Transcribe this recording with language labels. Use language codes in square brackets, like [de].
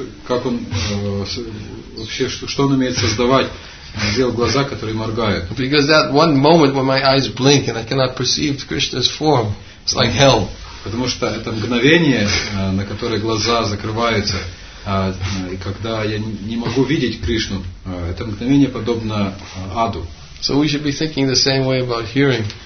[ru] Что он умеет создавать? Сделал глаза, которые моргают. [en] Because that one moment when my eyes blink and I cannot perceive Krishna's form, it's like hell. [ru] Потому что это мгновение, на которое глаза закрываются, и когда я не могу видеть Кришну, это мгновение подобно аду. [en] So we should be thinking the same way about hearing.